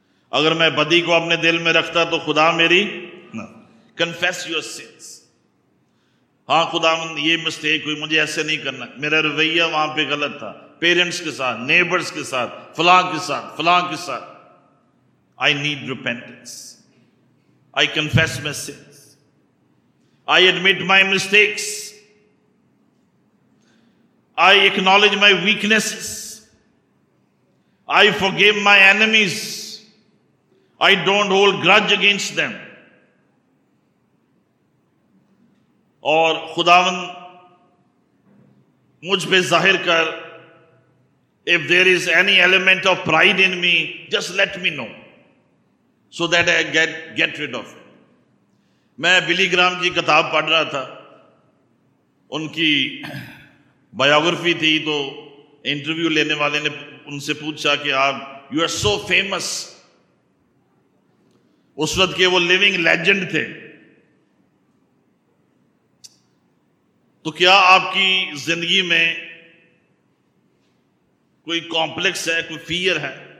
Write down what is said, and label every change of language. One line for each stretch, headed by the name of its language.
Urdu: اگر میں بدی کو اپنے دل میں رکھتا تو خدا میری نہ.
English: confess your sins.
Urdu: ہاں خدا یہ مسٹیک ہوئی, مجھے ایسے نہیں کرنا, میرا رویہ وہاں پہ غلط تھا, پیرنٹس کے ساتھ, نیبرس کے ساتھ, فلاں کے ساتھ, فلاں کے ساتھ.
English: I need repentance. I confess my sins. I admit my mistakes. I acknowledge my weaknesses. I forgive my enemies. I don't hold grudge against them.
Urdu: اور خداوند مجھ پہ ظاہر کر,
English: if there is any element of pride in me, just let me know so that I get rid of it.
Urdu: میں بلی gram کی کتاب پڑھ رہا تھا, ان کی بایوگرافی تھی, تو انٹرویو لینے والے نے ان سے پوچھا کہ آپ
English: you are so famous,
Urdu: اس وقت کے وہ لیونگ لیجنڈ تھے, تو کیا آپ کی زندگی میں کوئی کمپلیکس ہے, کوئی فیئر ہے؟